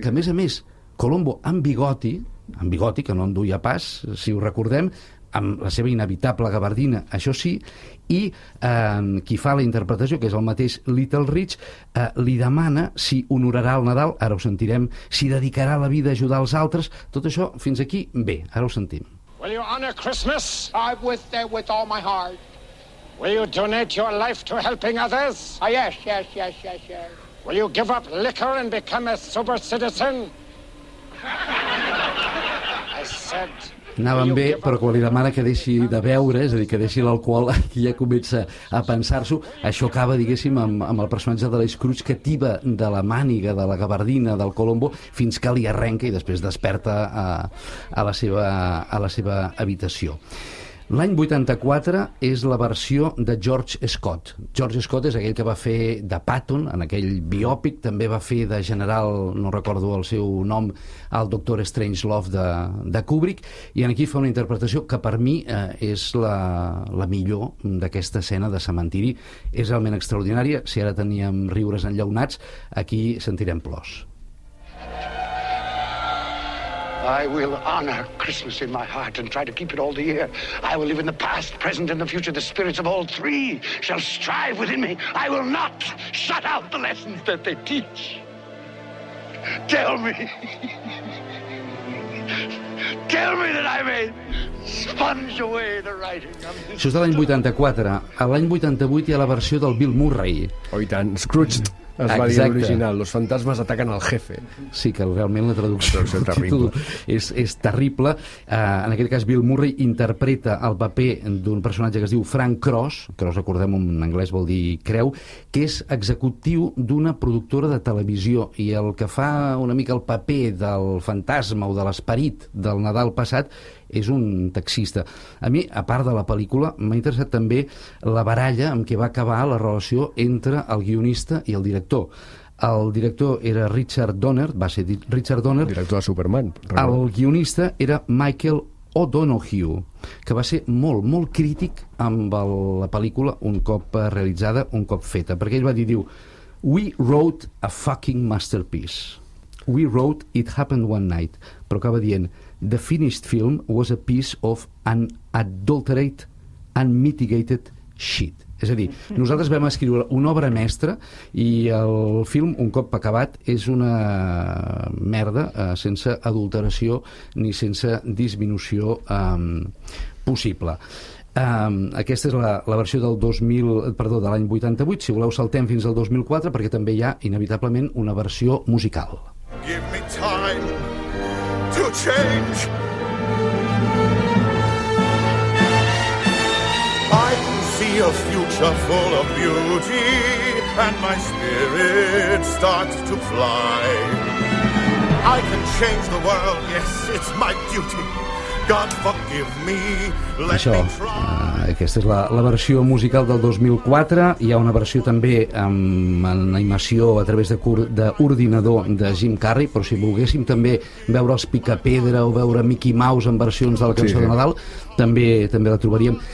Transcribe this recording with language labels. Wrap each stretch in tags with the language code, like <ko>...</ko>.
<ca>Que a més, Colombo amb bigoti, que no en duia pas, si ho recordem, amb la seva inevitable gabardina, això sí, i qui fa la interpretació, que és el mateix Little Rich, li demana si honorarà el Nadal, ara ho sentirem, si dedicarà la vida a ajudar els altres, tot això fins aquí, bé, ara ho sentim.</ca> <en>Will you honor Christmas? I'm with that with all my heart. Will you donate your life to helping others? Yes. Will you give up liquor and become a sober citizen? I said...</en> <ca>Anaven bé, però quan li demana que deixi de beure, és a dir, que deixi l'alcohol, aquí ja comença a pensar-s'ho. Això acaba, diguéssim, amb el personatge de l'Scrooge que tiba de la màniga, de la gabardina, del Colombo, fins que li arrenca i després desperta a la seva habitació. L'any 84 és la versió de George Scott. George Scott és aquell que va fer de Patton en aquell biòpic, també va fer de general, no recordo el seu nom, el Doctor Strangelove de Kubrick, i aquí fa una interpretació que per mi és la millor d'aquesta escena de cementiri. És realment extraordinària. Si ara teníem riures enllaunats, aquí sentirem plors.</ca> <en>I will honor Christmas in my heart and try to keep it all the year. I will live in the past, present, and the future. The spirits of all three shall strive within me. I will not shut out the lessons that they teach. Tell me that I may sponge away the writing.</en> <ca>Això és de l'any 84. A l'any 88 hi ha la versió del Bill Murray. Oh, i tant. Scrooge. Es va dir l'original, los fantasmas ataquen al jefe. Sí, que realment la traducció és terrible. És terrible. En aquest cas, Bill Murray interpreta el paper d'un personatge que es diu Frank Cross, que us recordem en anglès vol dir creu, que és executiu d'una productora de televisió, i el que fa una mica el paper del fantasma o de l'esperit del Nadal passat és un taxista. A mi, a part de la pel·lícula, m'ha interessat també la baralla amb què va acabar la relació entre el guionista i el director. El director era Richard Donner, va ser Richard Donner. Director de Superman. Realment. El guionista era Michael O'Donoghue, que va ser molt, molt crític amb la pel·lícula un cop realitzada, un cop feta. Perquè ell va dir, diu,</ca> <en>"We wrote a fucking masterpiece. We wrote It Happened One Night."</en> <ca>Però acaba dient,</ca> <en>"The finished film was a piece of an adulterated and mitigated shit."</en> <ca>És a dir, nosaltres vam escriure una obra mestra i el film, un cop acabat, és una merda sense adulteració ni sense disminució possible. Aquesta és la versió del 2000, perdó, de l'any 88. Si voleu, saltem fins al 2004, perquè també hi ha, inevitablement, una versió musical.</ca> <en>Give me time to change. A future full of beauty, and my spirit starts to fly. I can change the world, yes, it's my duty. God forgive me, let Això, me try.</en> <ca>Aquesta és la versió musical del 2004. Hi ha una versió també amb animació a través d'ordinador de Jim Carrey, però si volguéssim també veure els Picapedra o veure Mickey Mouse en versions de la cançó, sí, de Nadal, també la trobaríem.</ca>